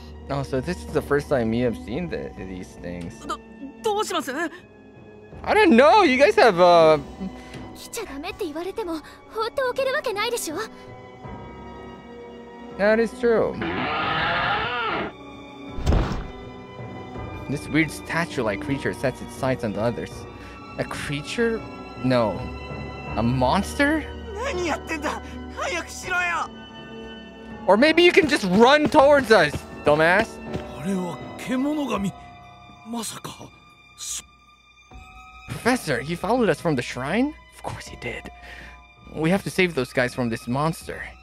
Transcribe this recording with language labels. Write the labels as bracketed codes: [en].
[en] Oh, so this is the first time me have seen these things. [ja] どうします。 [en] I don't know, you guys have a... [ja] 来ちゃダメって言われても放っておけるわけないでしょ。 [en] That is true. This weird statue-like creature sets its sights on the others. A creature? No. A monster? [ja] 何やってんだ、早くしろよ。 [en] Or maybe you can just run towards us, dumbass. [ja] あれは獣神、まさか。 [en] Professor, he followed us from the shrine? Of course he did. We have to save those guys from this monster.